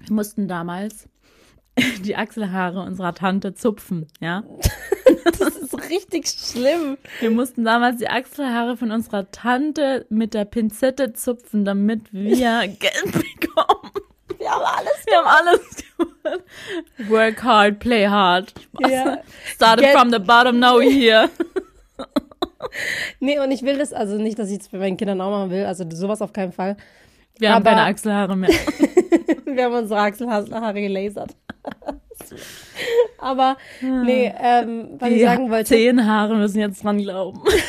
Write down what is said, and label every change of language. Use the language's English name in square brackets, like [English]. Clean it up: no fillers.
[German] Wir mussten damals die Achselhaare unserer Tante zupfen, ja? Das ist richtig schlimm. Wir mussten damals die Achselhaare von unserer Tante mit der Pinzette zupfen, damit wir Geld bekommen. Wir haben alles gemacht. [English] Work hard, play hard. Yeah. Started from the bottom, now here. [German] Nee, und ich will das, also nicht, dass ich es bei meinen Kindern auch machen will, also sowas auf keinen Fall. Wir haben keine Achselhaare mehr. Wir haben unsere Achselhaare gelasert. Aber, nee, was ich sagen wollte. Zehn Haare müssen jetzt dran glauben.